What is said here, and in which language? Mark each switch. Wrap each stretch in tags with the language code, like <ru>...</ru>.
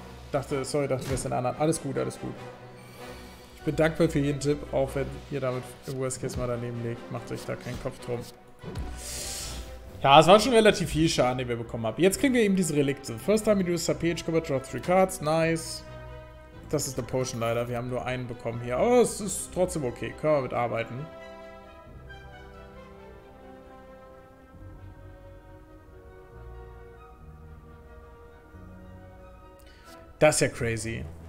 <de>Dachte, wir sind anderen. Alles gut, alles gut. Ich bin dankbar für jeden Tipp, auch wenn ihr damit im Worst Case mal daneben legt. Macht euch da keinen Kopf drum. Ja, es war schon relativ viel Schaden, den wir bekommen haben. Jetzt kriegen wir eben diese Relikte.</de> <en>First time you use a page cover, draw 3 cards. Nice.</en> <de>Das ist eine Potion leider. Wir haben nur einen bekommen hier. Aber es ist trotzdem okay. Können wir mitarbeiten. Das ist ja crazy.</de>